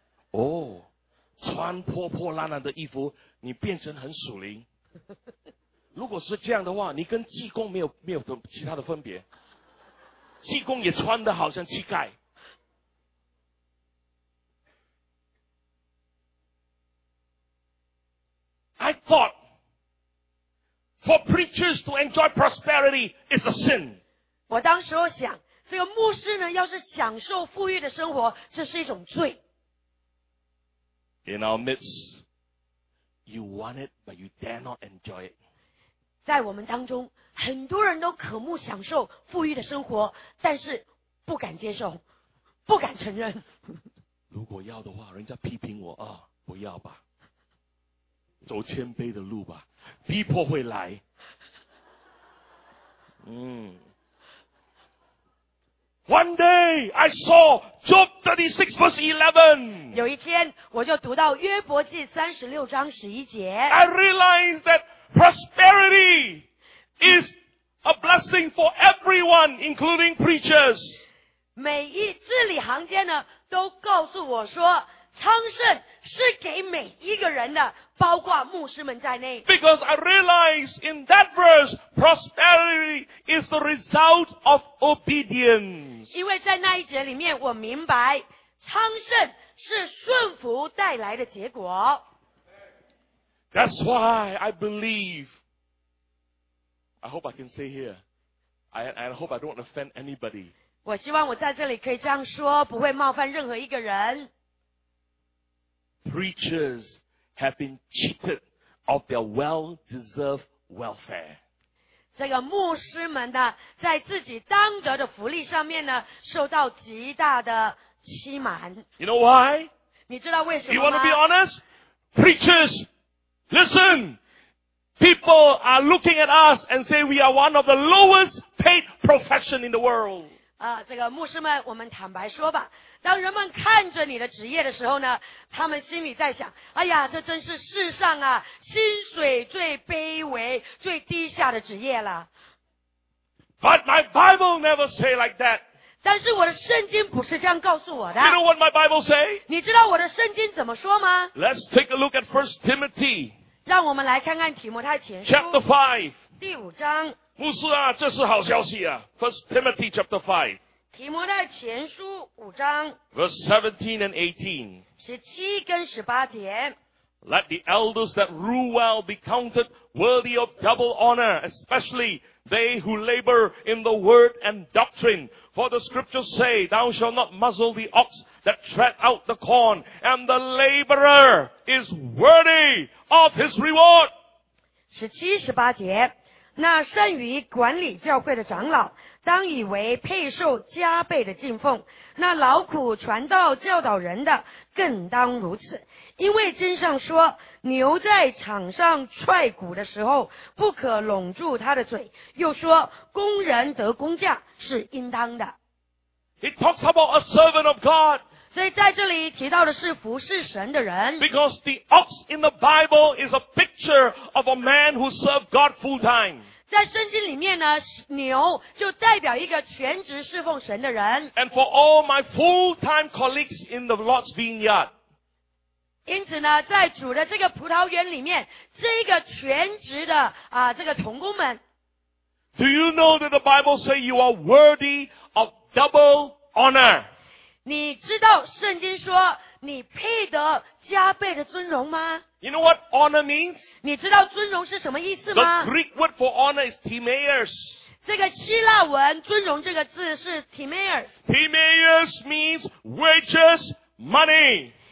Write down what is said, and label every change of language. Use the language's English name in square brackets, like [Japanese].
[Chinese] 哦。穿破破烂烂的衣服你变成很属灵如果是这样的话你跟济公没有其他的分别济公也穿得好像乞丐 [English] I thought for preachers to enjoy prosperity is a sin [Chinese] 我当时候想这个牧师呢，要是享受富裕的生活，这是一种罪。 [English] In our midst, you want it, but you dare not enjoy it. [Chinese] 在我们当中，很多人都渴慕享受富裕的生活，但是不敢接受，不敢承认。如果要的话，人家批评我啊，不要吧，走谦卑的路吧，逼迫会来。 [English] One day, I saw Job 36 verse 11. [Chinese] 有一天，我就读到约伯记36章11节。 [English] I realized that prosperity is a blessing for everyone, including preachers. [Chinese] 每一字里行间呢，都告诉我说，昌盛是给每一个人的，包括牧师们在内。 [English] Because I realize in that verse, prosperity is the result of obedience. [Chinese] 因为在那一节里面，我明白昌盛是顺服带来的结果。 [English] That's why I believe. I hope I can say here. I hope I don't offend anybody. [Chinese] 我希望我在这里可以这样说，不会冒犯任何一个人。 [English] Preachers have been cheated of their well-deserved welfare. [Chinese] 这个牧师们呢，在自己当得的福利上面呢，受到极大的欺瞒。 [English] You know why? [Chinese] 你知道为什么吗 [English] ？You want to be honest? Preachers, listen. People are looking at us and say we are one of the lowest paid profession in the world. [Chinese] 这个牧师们，我们坦白说吧。当人们看着你的职业的时候呢，他们心里在想：哎呀，这真是世上啊，薪水最卑微、最低下的职业了。 [English] But my Bible never say like that. [Chinese] 但是我的圣经不是这样告诉我的。 [English] You know what my Bible say? [Chinese] 你知道我的圣经怎么说吗 [English] ？Let's take a look at 1 Timothy. [Chinese] 让我们来看看提摩太前书。 [English] Chapter 5. [Chinese] 第五章。牧师啊，这是好消息啊 ！ [English] 1 Timothy chapter 5. [Chinese] 提摩太前书五章 [English] Verse 17 and 18 [Chinese] 17跟18节 [English] Let the elders that rule well be counted worthy of double honor, especially they who labor in the word and doctrine. For the scriptures say, Thou shalt not muzzle the ox that treads out the corn, and the laborer is worthy of his reward. [Chinese] 17、18节那剩余管理教会的长老当以为配受加倍的敬奉那劳苦传道教导人的更当如此因为经上说牛在场上踹鼓的时候不可拢住他的嘴又说工人得工价是应当的 [English] It talks about a servant of God [Chinese] 所以在这里提到的是服侍神的人 [English] Because the ox in the Bible is a picture of a man who served God full time [Chinese] 在圣经里面呢牛就代表一个全职侍奉神的人 [English] And for all my full-time colleagues in the Lord's vineyard [Chinese] 因此呢在主的这个葡萄园里面这个全职的这个同工们 [English] Do you know that the Bible says you are worthy of double honor [Chinese] 你知道圣经说你配得加倍的尊荣吗 [English] You know what honor means? [Chinese] 你知道尊荣是什么意思吗 [English] The Greek word for honor is timaeus. [Chinese] 这个希腊文尊荣这个字是 timaeus. [English] Timaeus means wages, money.